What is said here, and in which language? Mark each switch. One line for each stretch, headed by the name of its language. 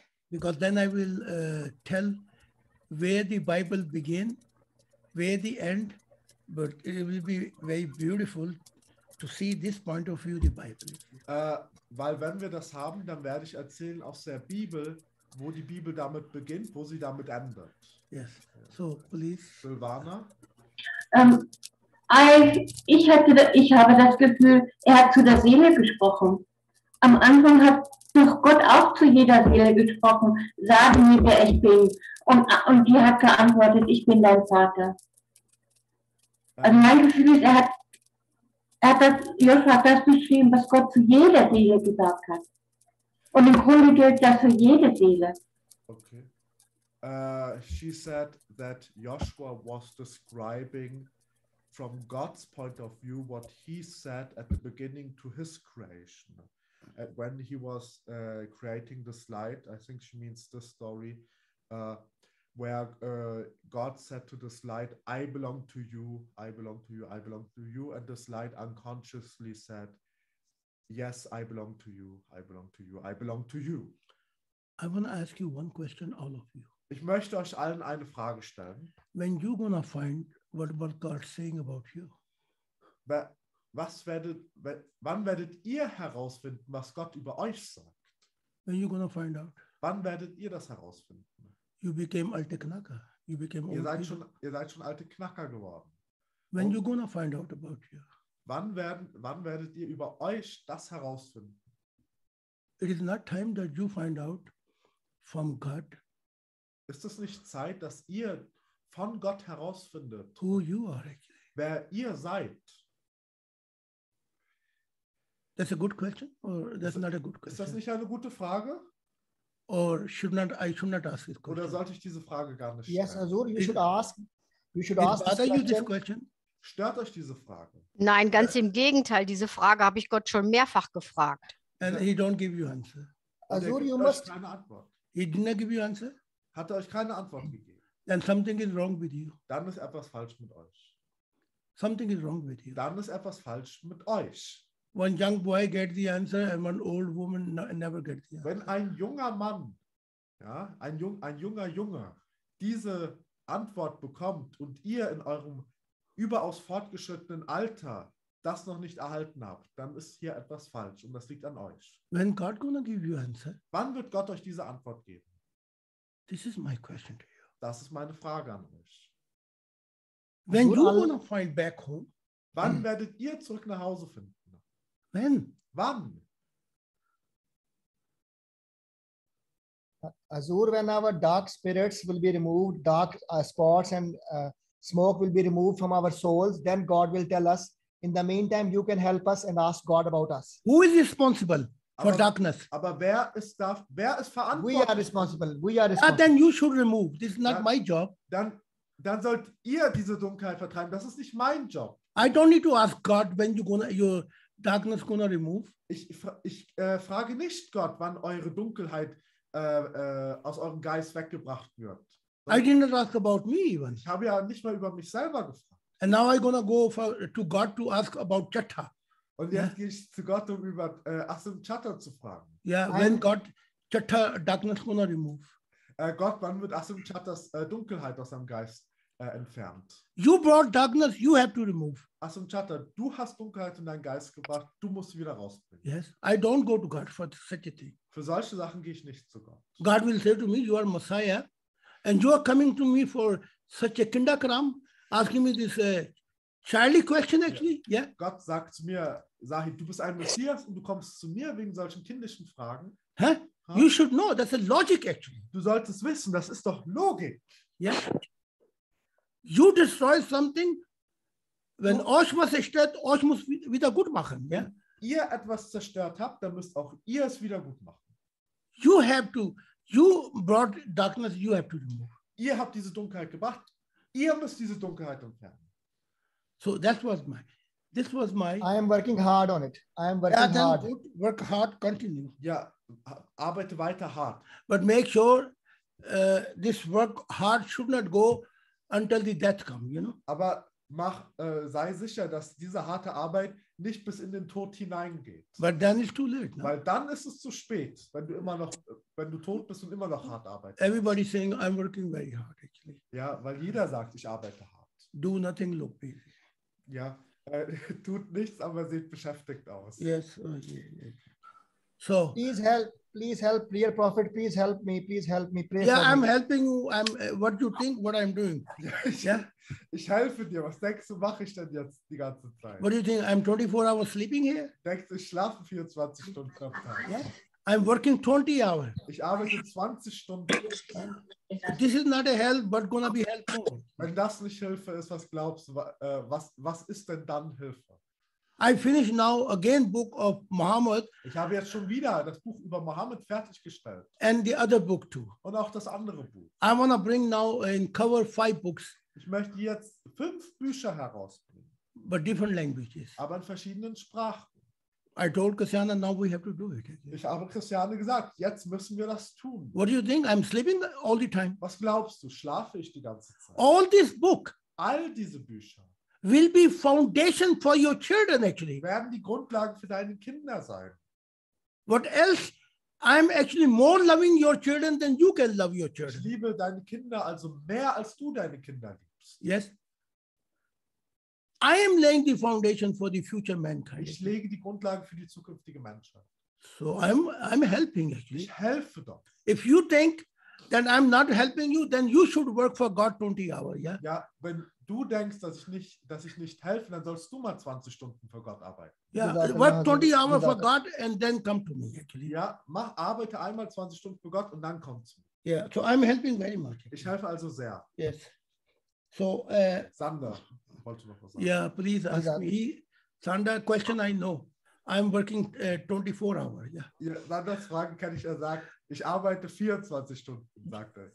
English: Because then I will tell where the Bible begin, where the end, but it will be very beautiful to see this point of view, the Bible.
German: Weil wenn wir das haben, dann werde ich erzählen aus der Bibel, wo die Bibel damit beginnt, wo sie damit endet.
English: Yes, so please. Silvana?
German: Ich habe das Gefühl, er hat zu der Seele gesprochen. Am Anfang hat doch Gott auch zu jeder Seele gesprochen, sag mir, wer ich bin. Und die hat geantwortet, ich bin dein Vater. Also mein Gefühl ist, er hat das beschrieben, was Gott zu jeder Seele gesagt hat. Und im Grunde gilt das für jede Seele.
English: Okay. She said that Joshua was describing from God's point of view what he said at the beginning to his creation. When he was creating the slide, I think she means the story, where God said to the slide, I belong to you, I belong to you, I belong to you, and the slide unconsciously said, yes, I belong to you, I belong to you, I belong to you. I want to ask you one question, all of you.
German: Ich möchte euch allen eine Frage stellen.
English: When you gonna find what God is saying about you?
German: Wann werdet ihr herausfinden, was Gott über euch sagt?
English: When you gonna find out?
German: Wann werdet ihr das herausfinden?
English: You became
German: alte Knacker.
English: You became old.
German: Ihr seid schon alte Knacker geworden.
English: When you gonna find out about you?
German: Wann werdet ihr über euch das herausfinden?
English: It is not time that you find out from God.
German: Ist es nicht Zeit, dass ihr von Gott herausfindet,
English: who you are,
German: wer ihr seid?
English: That's a good question or that's not a good question?
German: Ist das nicht eine gute Frage?
English: Or should not ask this question?
German: Oder sollte ich diese Frage gar nicht stellen?
English: Yes, Azur, you should ask. You should ask. Bother you this question?
German: Stört euch diese Frage? Nein, ganz im Gegenteil. Diese Frage habe ich Gott schon mehrfach gefragt.
English: And he don't give you answer. Azur, you must.
German: Keine Antwort.
English: He didn't give you answer?
German: Hat er euch keine Antwort gegeben?
English: Then something is wrong with you.
German: Dann ist etwas falsch mit euch.
English: Something is wrong with you.
German: Dann ist etwas falsch mit euch.
English: One young boy gets the answer and one old woman never gets the answer.
German: Wenn ein junger Mann, ja, ein junger Junge, diese Antwort bekommt und ihr in eurem überaus fortgeschrittenen Alter das noch nicht erhalten habt, dann ist hier etwas falsch und das liegt an euch.
English: When God gonna give you answer?
German: Wann wird Gott euch diese Antwort geben?
English: This is my question to you.
German: Das ist meine Frage an euch.
English: When you wanna find back home,
German: wann werdet ihr zurück nach Hause finden?
English: When?
German: Wann?
English: Azur, when our dark spirits will be removed, dark spots and smoke will be removed from our souls, then God will tell us, in the meantime, you can help us and ask God about us. Who is responsible? For darkness.
German: Aber wer ist verantwortlich?
English: We are responsible. We are responsible. Then you should remove. This is not my job.
German: Dann sollt ihr diese Dunkelheit vertreiben. Das ist nicht mein Job.
English: I don't need to ask God when your darkness gonna remove.
German: Ich frage nicht Gott, wann eure Dunkelheit aus eurem Geist weggebracht wird.
English: I did not ask about me even.
German: Ich habe ja nicht mal über mich selber gefragt.
English: And now I'm gonna go to God to ask about Chetha.
German: Und jetzt gehe ich zu Gott, um über Asim Chatter zu fragen.
English: Ja, yeah, when God Chatter darkness gonna remove.
German: Gott, wann wird Asim Chatters Dunkelheit aus seinem Geist entfernt.
English: You brought darkness, you have to remove.
German: Asim Chatter, du hast Dunkelheit in deinen Geist gebracht, du musst sie wieder rausbringen.
English: Yes, I don't go to God for such a thing.
German: Für solche Sachen gehe ich nicht zu Gott.
English: God will say to me, you are Messiah, and you are coming to me for such a kinderkram, asking me this childish question actually. Yeah. Yeah?
German: Gott sagt zu mir, Sahib, du bist ein Messias und du kommst zu mir wegen solchen kindischen Fragen.
English: Huh? Huh? You should know, that's a logic actually.
German: Du solltest wissen, das ist doch Logik. Ja.
English: Yeah? You destroy something,
German: wenn euch was zerstört, euch muss wieder gut machen.
English: Yeah?
German: Wenn ihr etwas zerstört habt, dann müsst auch ihr es wieder gut machen.
English: You have to, you brought darkness, you have to remove.
German: Ihr habt diese Dunkelheit gebracht, ihr müsst diese Dunkelheit entfernen.
English: So that was my, this was my. I am working hard on it. I am working hard. Good, work hard, continue.
German: Ja, arbeite weiter hart.
English: But make sure this work hard should not go until the death come, you know?
German: Aber mach, sei sicher, dass diese harte Arbeit nicht bis in den Tod hineingeht.
English: But then it's too late, no?
German: Weil dann ist es zu spät, wenn du immer noch, wenn du tot bist und immer noch hart arbeitest.
English: Everybody saying I'm working very hard actually.
German: Ja, weil jeder sagt, ich arbeite hart.
English: Do nothing, look busy.
German: Ja, tut nichts, aber sieht beschäftigt aus.
English: Yes. Okay. So. Please help. Please help, dear prophet. Please help me. Please help me. Please yeah, help I'm me. Helping you. I'm. What do you think? What I'm doing?
German: Yeah. Ich helfe dir. Was denkst du, mache ich denn jetzt die ganze Zeit?
English: What do you think? I'm 24 hours sleeping here.
German: Denkst du, ich schlafe 24 Stunden am Tag?
English: Yeah. I'm working 20 hours.
German: Ich arbeite 20 Stunden.
English: This is not a help, but gonna be helpful.
German: Wenn das nicht Hilfe ist, was glaubst du? Was ist denn dann Hilfe?
English: I finish now again book of Muhammad.
German: Ich habe jetzt schon wieder das Buch über Muhammad fertiggestellt.
English: And the other book too.
German: Und auch das andere Buch.
English: I wanna bring now in cover 5 books.
German: Ich möchte jetzt 5 Bücher herausbringen.
English: But different languages.
German: Aber in verschiedenen Sprachen.
English: I told Christiane now we have to do it.
German: Ich habe Christiane gesagt, jetzt müssen wir das tun.
English: What do you think? I'm sleeping all the time.
German: Was glaubst du? Schlafe ich die ganze Zeit?
English: All this book.
German: All diese Bücher.
English: Will be foundation for your children actually.
German: Werden die Grundlagen für deine Kinder sein.
English: What else? I'm actually more loving your children than you can love your children.
German: Ich liebe deine Kinder also mehr als du deine Kinder liebst.
English: Yes. I am laying the foundation for the future mankind.
German: Ich lege die Grundlagen für die zukünftige Menschheit.
English: So I'm helping actually.
German: Ich helfe doch.
English: If you think that I'm not helping you, then you should work for God 20 hours. Yeah.
German: Ja, wenn du denkst, dass ich nicht helfe, dann sollst du mal 20 Stunden für Gott arbeiten. Ja, yeah.
English: Work 20 hours for God and then come to me actually.
German: Ja, mach, arbeite einmal 20 Stunden für Gott und dann komm zu mir.
English: Yeah, so I'm helping very much. Actually.
German: Ich helfe also sehr.
English: Yes. So,
German: Sander, wolltest du noch was sagen?
English: Yeah, please ask Sander. Me. Sander, question I know. I'm working 24 hours. Yeah.
German: Ja, Sanders Fragen kann ich ja sagen. Ich arbeite 24 Stunden, sagt er.